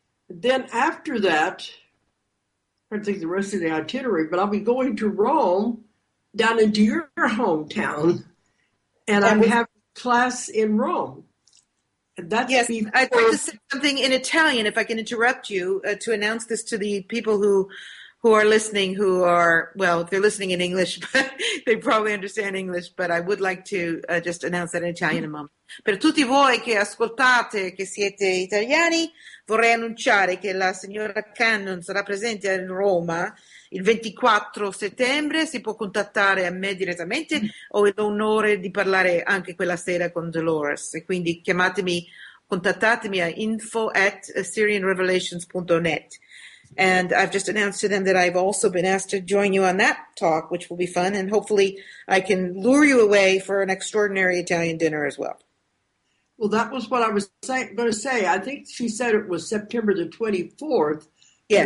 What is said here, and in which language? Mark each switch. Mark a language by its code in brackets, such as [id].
[en] Then after that, I can't think of the rest of the itinerary, but I'll be going to Rome, down into your hometown, and I'm having class in Rome. That's yes, I'd like to say something in Italian, if I can interrupt you, to announce this to the people who are listening, who are, well, they're listening in English, but they probably understand English, but I would like to just announce that in Italian a moment. [it] Per tutti voi che ascoltate, che siete italiani, vorrei annunciare che la signora Cannon sarà presente in Roma il 24 settembre. Si può contattare a me direttamente, ho l'onore di parlare anche quella sera con Dolores, e quindi chiamatemi, contattatemi a info@syrianrevelations.net. [en] And I've just announced to them that I've also been asked to join you on that talk, which will be fun, and hopefully I can lure you away for an extraordinary Italian dinner as well. Well, that was what I was going to say. I think she said it was September the 24th. Yes.